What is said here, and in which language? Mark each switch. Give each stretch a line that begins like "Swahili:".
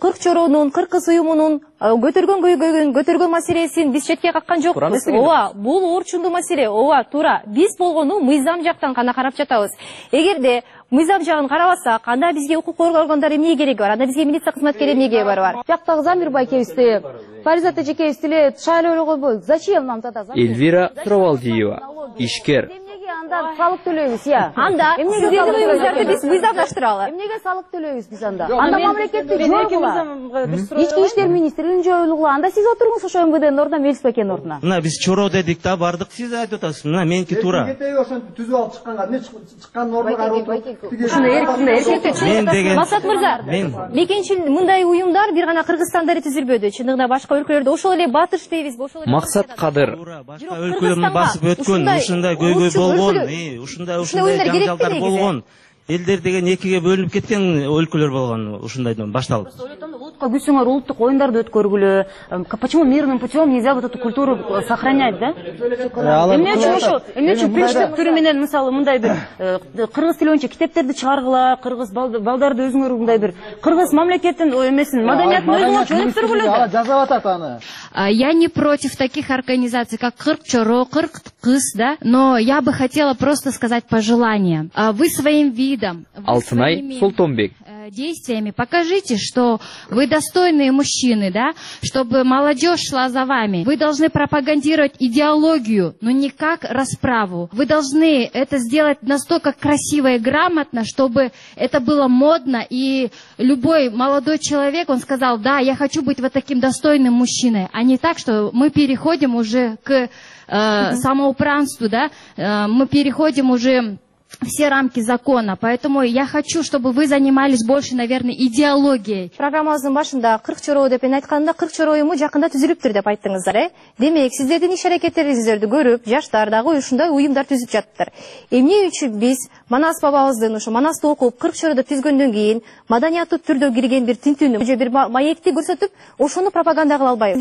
Kyrgyz: 40 чоронун, 40 уюмунун көтөргөн көйгөйүн, көтөргөн маселесин биз четке каккан жокпуз. Ооба, бул орчундуу маселе. Ооба, туура. Биз болгону мыйзам жактан гана карап жатабыз. Эгерде мыйзам жагын карабасак, анда бизге укук коргоо органдары эмне кереги бар? Анда бизге милиция кызматкери эмне кереги бар? Жактагы Замирбай кебизди, Фаризат эжекебизди эле шайлап эле койбойбу.
Russian: Зачем нам тогда?
Kyrgyz: Эльвира Тровалдиева, ишкер. Эмнеге анда салык төлөйбүз, я? Анда сиздердин уюңуздарды биз мыйзамдаштыралы. Эмнеге салык төлөйбүз биз анда? Анда мамлекеттик жоюлгула. Ички иштер министрин жоюлгула. Анда сиз отуруңуз ошо МВДнын ордуна, милиция экенин ордуна. Мына биз чоро дедик да, бардык. Сиз айтып атасыз, мына меники туура. Кетейби ошентип түзүп алып чыкканга, эмне чыккан нормага Мен деген Масат мырза, мекенчил мындай уюмдар бир гана Кыргызстанда эле түзүлбөдү, чындыгында башка өлкөлөрдө ошол эле батыш дейбиз, ошол эле Максат Кадыр. Башка өлкөлөрдү басып өткөн, ушундай көйгөй болгон, ушундай жаңжалдар болгон. Элдер деген экиге бөлүнүп кеткен өлкөлөр болгон ушундайдан башталып. Улутка күсүңөр, улуттук оюндарды өткөргүлө.
Russian: Почему мирным путем нельзя вот эту культуру сохранять, да?
Kyrgyz: Эмне үчүн ошол? Эмне үчүн принциптер түрү менен мисалы мындай бир кыргыз тили боюнча китептерди чыгаргыла, кыргыз балдарды өзүңөр мындай бир кыргыз мамлекеттин эмесин, маданиятын өзүңөр өнүктүргүлө. Алар жазып атат аны.
Russian: Я не против таких организаций, как 40 чоро, 40 кыз, да? Но я бы хотела просто сказать пожелание. Вы своим видом, Алтынай Султонбек, действиями покажите, что вы достойные мужчины, да? Чтобы молодежь шла за вами. Вы должны пропагандировать идеологию, но не как расправу. Вы должны это сделать настолько красиво и грамотно, чтобы это было модно, и любой молодой человек, он сказал, да, я хочу быть вот таким достойным мужчиной, а не так, что мы переходим уже к самоуправству, да? Мы переходим уже все рамки закона. Поэтому я хочу, чтобы вы занимались больше, наверное, идеологией.
Kyrgyz: Программабыздын башында 40 чороо деп эне айтканда 40 чороо уюму жакында түзүлүп тур деп айттыңыздар, э? Демек, сиздердин иш аракеттериңиздерди көрүп, жаштар дагы ушундай уюмдар түзүп жатыптыр. Эмне үчүн биз Манас бабабыздын ушу Манасты окуп, 40 чороодо түзгөндөн кийин маданияттуу түрдө кирген бир тинтүүнү, же бир маекти көрсөтүп, ошону пропаганда кыла албайбыз?